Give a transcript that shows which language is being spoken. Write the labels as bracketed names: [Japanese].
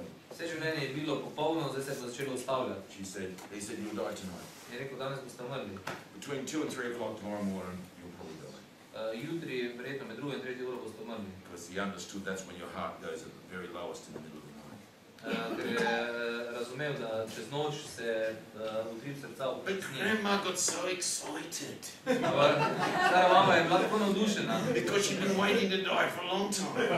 [Slovenian] Vse življenje je bilo popolno, zdaj se je začelo ustavljati. [English] He said you'll die tonight. [Slovenian] Je rekel, danes boste umrli. [English] Between 2 and 3 o'clock tomorrow morning you'll probably die. [Slovenian] Jutri verjetno med 2 in 3 uro boste umrli. [English] Because he understood that's when your heart goes at the very lowest in the middle of the night. [Slovenian] Ker je razumel, da čez noč se utrip srca upočasni. [English] But grandma got so excited. [Slovenian] Stara mama je bila tako navdušena. [English] Because she'd been waiting to die for a long time.